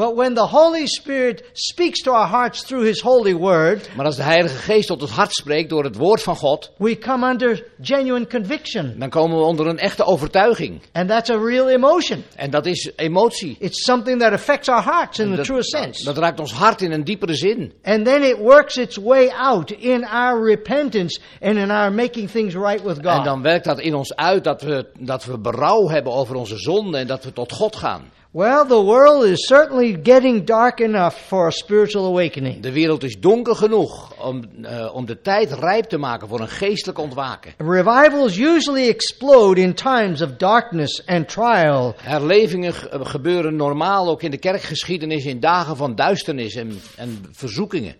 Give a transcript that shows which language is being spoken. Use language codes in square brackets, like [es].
[en] But when the Holy Spirit speaks to our hearts through His Holy Word, [nl] maar als de Heilige Geest tot ons hart spreekt door het woord van God, [en] we come under genuine conviction. [nl] Dan komen we onder een echte overtuiging. [en] And that's a real emotion. [nl] En dat is emotie. [en] It's something that affects our hearts in the truest sense. [nl] Dat raakt ons hart in een diepere zin. [en] And then it works its way out in our repentance and in our making things right with God. [nl] En dan werkt dat in ons uit. Dat we berouw hebben over onze zonde en dat we tot God gaan. [en] Well, the world is certainly getting dark enough for a spiritual awakening. [nl] De wereld is donker genoeg om de tijd rijp te maken voor een geestelijk ontwaken. [en] Revivals usually explode in times of darkness and trial. [nl] Herlevingen gebeuren normaal ook in de kerkgeschiedenis in dagen van duisternis en verzoekingen.